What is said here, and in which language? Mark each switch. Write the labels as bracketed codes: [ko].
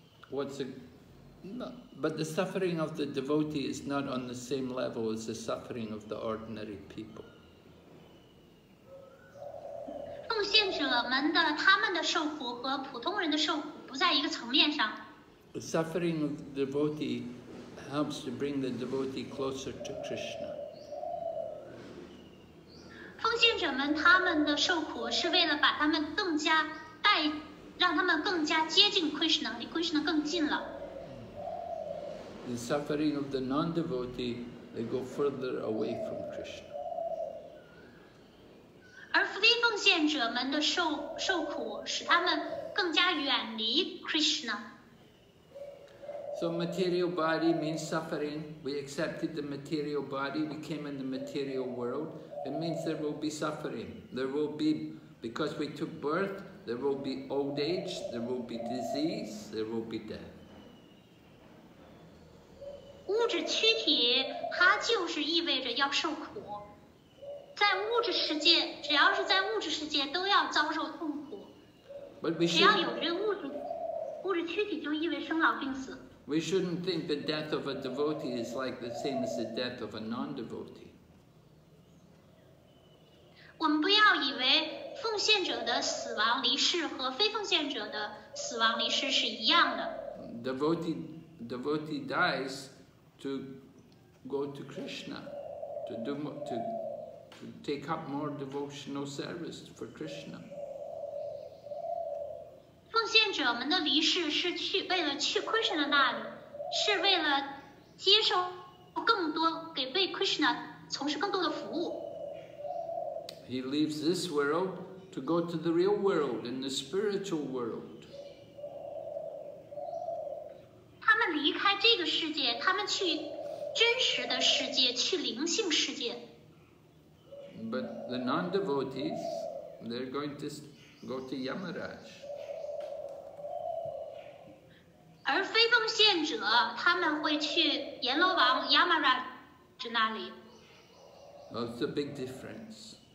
[en] But the suffering of the devotee is not on the same level as the suffering of the ordinary people. [zh] 奉献者们的他们的受苦和普通人的受苦不在一个层面上。 [en] The suffering of the devotee helps to bring the devotee closer to Krishna. [zh] 奉献者们他们的受苦是为了把他们更加带，让他们更加接近 Krishna， 离 Krishna 更近了。 [en] The suffering of the non-devotee, they go further away from Krishna. [zh] 而非奉献者们的受苦使他们更加远离 Krishna。 [en] So material body means suffering. We accepted the material body. We came in the material world. It means there will be suffering. There will be, because we took birth, there will be old age, there will be disease, there will be death. [zh] 物质躯体它就是意味着要受苦。在物质世界，只要是在物质世界都要遭受痛苦。 [en] But we [zh] 只要有这物质躯体就意味生老病死。 [en] We shouldn't think the death of a devotee is like the same as the death of a non-devotee. [zh] 我们不要以为奉献者的死亡离世和非奉献者的死亡离世是一样的。 [en] Devotee dies to go to Krishna, to take up more devotional service for Krishna. [zh] 奉献者们的离世是去为了去 Krishna 那里，是为了接受更多给为 Krishna 从事更多的服务。 [en] He leaves this world to go to the real world in the spiritual world. [zh] 他们离开这个世界，他们去真实的世界，去灵性世界。 [en] But the non-devotees, they're going to go to Yamaraj. [zh] 而非奉献者他们会去阎罗王 Yamaraj 那里。 [en] That's a big difference.